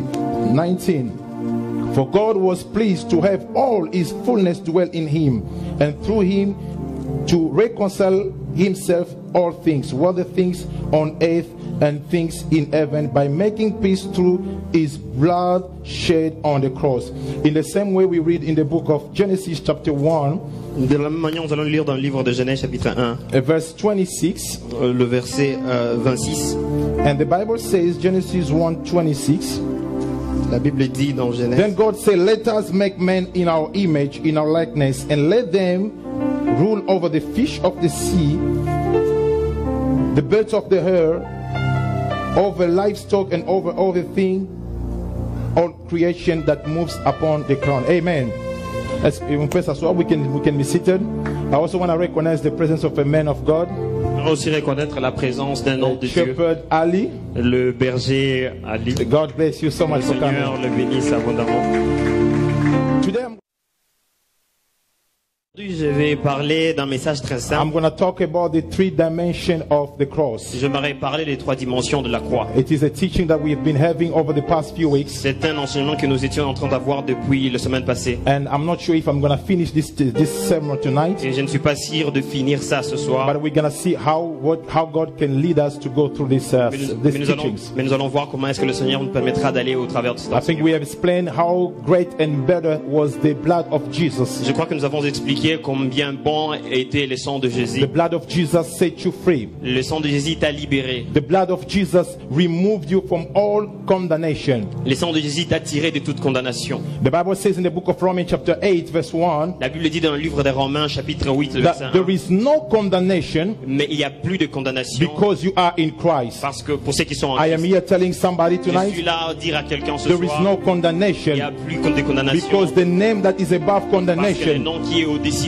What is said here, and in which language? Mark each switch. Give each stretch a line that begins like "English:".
English: 19. For God was pleased to have all his fullness dwell in him, and through him to reconcile himself all things, whether things on earth and things in heaven, by making peace through his blood shed on the cross. In the same way we read in the book of Genesis chapter 1,
French: de la même manière, nous allons lire dans le livre de Genèse chapitre 1,
English: verse 26,
French: le verset 26.
English: And the Bible says, Genesis 1, 26,
French: la Bible dit dans Genèse.
English: Then God said, let us make man in our image, in our likeness, and let them rule over the fish of the sea, the birds of the air, over livestock, and over all the thing, all creation that moves upon the ground. Amen. As
French: on peut s'asseoir,
English: we can be seated. I also want to recognize the presence of a man of God.
French: Aussi reconnaître la présence d'un homme de Dieu.
English: Shepherd Ali.
French: Le berger Ali.
English: God bless you so much for coming.
French: Le Seigneur le bénisse abondamment. Aujourd'hui, je vais parler d'un message très simple.
English: I'm going to talk about the three dimensions of the cross.
French: Je vais parler des trois dimensions de la croix.
English: It is a teaching that we have been having over the past few weeks.
French: C'est un enseignement que nous étions en train d'avoir depuis la semaine passée.
English: And I'm not sure if I'm going to finish this sermon tonight.
French: Et je ne suis pas sûr de finir ça ce soir.
English: But we're going to see how God can lead us to go through these teachings.
French: Mais nous allons voir comment est-ce que le Seigneur nous permettra d'aller au travers de cet enseignement.
English: I think we have explained how great and better was the blood of Jesus.
French: Je crois que nous avons expliqué combien bon était le sang de Jésus.
English: The blood of Jesus set you free.
French: Le sang de Jésus t'a libéré.
English: The blood of Jesus removed you from all condemnation.
French: Le sang de Jésus t'a tiré de toute condamnation.
English: The Bible says in the book of Romans chapter 8 verse 1.
French: La Bible dit dans le livre des Romains chapitre 8 verset 1.
English: There is no condemnation.
French: Mais il y a plus de condamnation.
English: Because you are in Christ.
French: Parce que pour ceux qui sont en
English: Christ. I am here telling somebody tonight.
French: Je suis là à dire à quelqu'un ce soir.
English: There is no condemnation.
French: Il n'y a plus de condamnation.
English: Because the name that is above condemnation.
French: Parce que le nom qui est au-dessus.